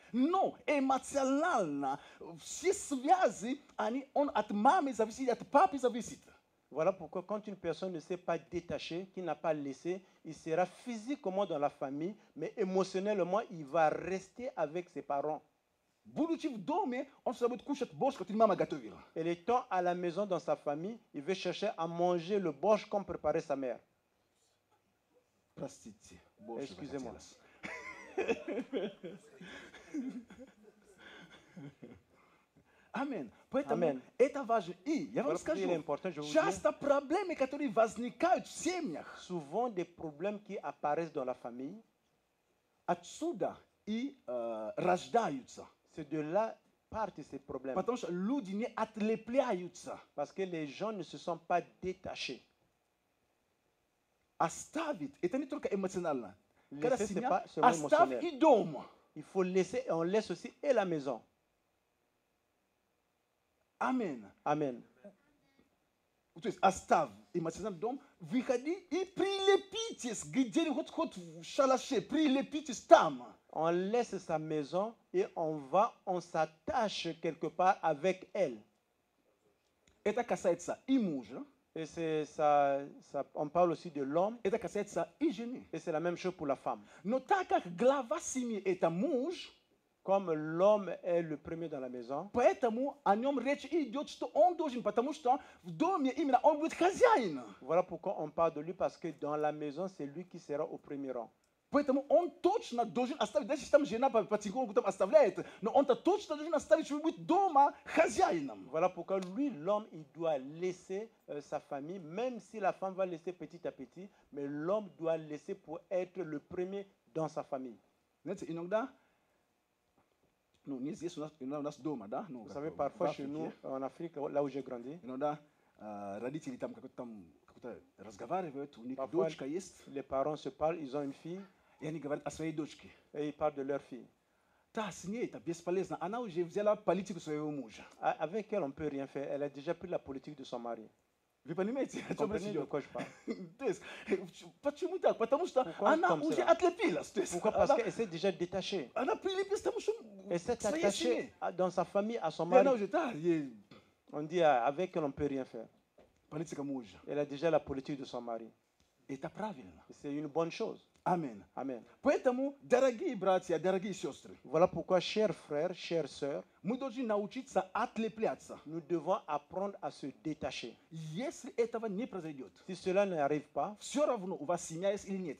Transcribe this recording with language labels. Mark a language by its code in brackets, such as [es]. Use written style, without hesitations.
[ru] Но эмоционально все связи, он от мамы зависит, от папы зависит. [fr] Voilà pourquoi quand une personne ne s'est pas détachée, qui n'a pas laissé, il sera physiquement dans la famille, mais émotionnellement, il va rester avec ses parents. [ru] Будучи в доме, он всегда будет кушать борщ, который мама готовила. [fr] Et étant à la maison dans sa famille, il veut chercher à manger le борщ, qu'on préparait sa mère. [ru] Простите, [fr] excusez-moi. Amen. [ru] Поэтому Amen. Это важно. И я вам скажу, часто проблемы, которые возникают в семьях, [fr] souvent des problèmes qui apparaissent dans la famille, [ru] отсюда и рождаются. [fr] C'est de là partent ces problèmes. [ru] Потому что люди не отлепляются. [fr] Parce que les gens ne se sont pas détachés. [ru] Оставить. Это не только эмоционально. Оставь и дом. [fr] Il faut laisser, on laisse aussi et la maison. Amen. Amen. [ru] То есть оставь эмоциональный дом, выходи и прилепитесь где-нибудь вот в шалаше, прилепитесь там. [fr] On laisse sa maison et on va, on s'attache quelque part avec elle. [ru] Это касается и мужа. [fr] Et c'est ça, ça, on parle aussi de l'homme. [ru] Это касается и жены. [fr] Et c'est la même chose pour la femme. [ru] Но так как глава семьи это муж, [fr] comme l'homme est le premier dans la maison, [ru] поэтому о нем речь идет, что он должен, потому что в доме именно он будет хозяин. [fr] Voilà pourquoi on parle de lui, parce que dans la maison, c'est lui qui sera au premier rang. [ru] Поэтому он точно должен оставить, даже если там жена потихоньку там оставляет, но он-то точно должен оставить, чтобы быть дома хозяином. [fr] Voilà pourquoi lui, l'homme, il doit laisser sa famille, même si la femme va laisser petit à petit, mais l'homme doit laisser pour être le premier dans sa famille. [ru] Знаете, иногда, ну, не здесь, у нас дома, да? [fr] Vous savez, parfois chez nous, en Afrique, là où j'ai grandi, [ru] иногда родители там как-то разговаривают, у них дочка есть. [fr] Les parents se parlent, ils ont une fille. [ru] И они говорят о своей дочке. [fr] Et ils parlent de leur fille. [ru] Да, с ней это бесполезно. Она уже взяла политику своего мужа. [fr] Avec elle, on peut rien faire. Elle a déjà pris la politique de son mari. [ru] Вы понимаете, о чем речь идет? [fr] De quoi je parle? [ru] То есть, почему так? Потому что она уже отлепилась. [fr] Pourquoi? Parce qu'elle s'est déjà détachée. [ru] Она прилепилась тому, что [fr] elle s'est attachée dans sa famille, à son mari. [ru] Она уже, да, [fr] on dit, avec elle, on peut rien faire. [ru] Политика мужа. [fr] Elle a déjà la politique de son mari. [ru] Это правильно. [fr] C'est une bonne chose. Amen. Amen. [ru] Поэтому, дорогие братья, дорогие сестры, [fr] voilà pourquoi, chers frères, chères sœurs, [ru] мы должны научиться отлепляться. [fr] Nous devons apprendre à se détacher. [ru] Если этого не произойдет, [fr] si cela n'arrive pas, [ru] все равно у вас семья есть или нет.